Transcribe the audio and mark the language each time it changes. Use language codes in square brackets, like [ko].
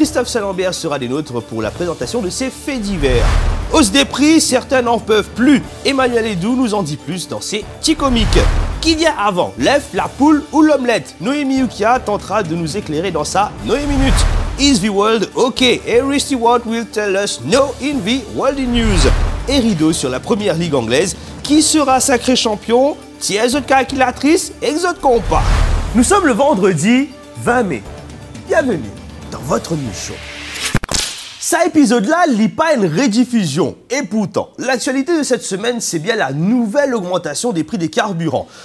[fr] Christophe Salambert sera des nôtres pour la présentation de ces faits divers. Hausse des prix, certains n'en peuvent plus. Emmanuel Edoux nous en dit plus dans ses petits comiques. Qui vient avant, l'œuf, la poule ou l'omelette? Noémie Ukia tentera de nous éclairer dans sa Noémie Minute. [en] Is the world okay? Harry Stewart will tell us no in the world news. [fr] Et rideau sur la première ligue anglaise, qui sera sacré champion? Si elles ont calculatrice, elles ont compas. Nous sommes le vendredi 20 mai. Bienvenue dans votre news show. Cet épisode-là n'est pas une rediffusion. Et pourtant, l'actualité de cette semaine, c'est bien la nouvelle augmentation des prix des carburants.